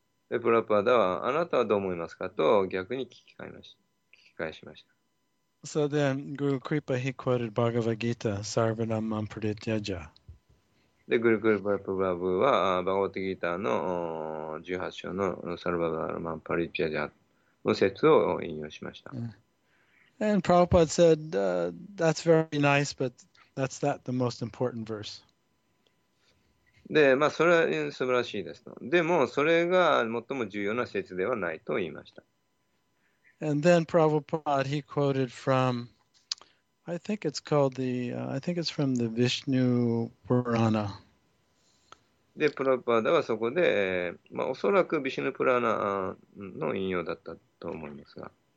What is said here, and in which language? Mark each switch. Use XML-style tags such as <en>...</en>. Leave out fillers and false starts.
<ja>でプラブパーダはあなたはどう思いますかと逆に聞き返しました。</ja> <en>So then, Guru Kripa, he quoted Bhagavad Gita,</en> <sa>Sarvanam Mam Pratyaja.</sa> <ja>で、グルクリパプラブは、バガバトギータの18章のサルバダルマンパリティアジャの説を引用しました。</ja> <en>And Prabhupada said, that's very nice, but that's not the most important verse.</en> <ja>で、まあ、それは素晴らしいですと。でも、それが最も重要な説ではないと言いました。</ja> <en>And then Prabhupada, he quoted from, I think it's from the Vishnu Purana.</en> <ja>で、プラパダはそこで、まあ、おそらくビシヌプラナの引用だったと思いますが。</ja>